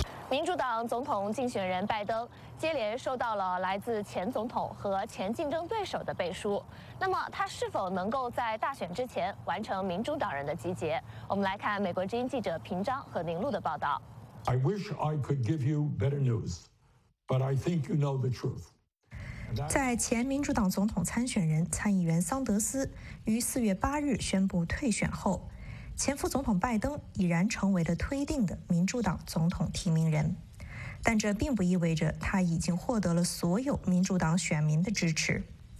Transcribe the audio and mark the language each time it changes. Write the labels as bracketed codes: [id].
[zh] 民主党总统竞选人拜登接连收到了来自前总统和前竞争对手的背书，那么他是否能够在大选之前完成民主党人的集结？我们来看美国之音记者平章和宁路的报道。 [en] I wish I could give you better news, but I think you know the truth. [zh] 在前民主党总统参选人参议员桑德斯于4月8日宣布退选后，前副总统拜登已然成为了推定的民主党总统提名人，但这并不意味着他已经获得了所有民主党选民的支持。